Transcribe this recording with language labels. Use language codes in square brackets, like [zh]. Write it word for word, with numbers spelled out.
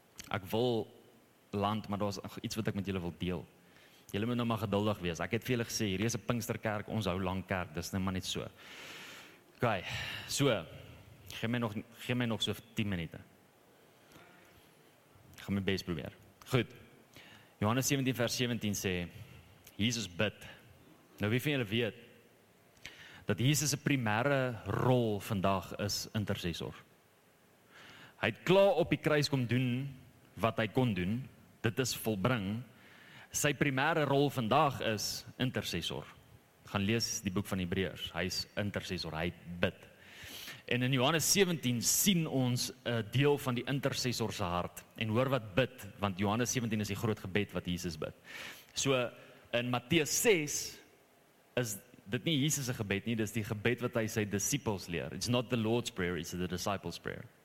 [af] Ek wil land, maar daar's iets wat ek met julle wil deel. Julle moet nou maar geduldig wees. Ek het vir julle gesê, hierdie is 'n Pinksterkerk, ons hou lank kerk, dis net maar net so. OK. So, gee my nog gee my nog so [en] ten minute. [af] Ek gaan my bes probeer. Goed. Johannes [en] seventeen [af] vers seventeen sê Jesus bid. Nou wie van julle weet dat Jesus se primêre rol vandag is intercessor. Hy het klaar op die kruis kom doen wat hy kon doen. Dit is volbring. Sy primêre rol vandag is intercessor. Gaan lees die boek van Hebreërs. Hy is intercessor. Hy bid. En in Johannes [en] seventeen [af] sien ons 'n deel van die intercessor se hart. En hoor wat bid, want Johannes [en] seventeen [af] is die groot gebed wat Jesus bid. So in Matteus [en] six [af] is dit nie Jesus se gebed nie, dis die gebed wat hy sy disippels leer. [en] It's not the Lord's prayer, it's the disciples' prayer.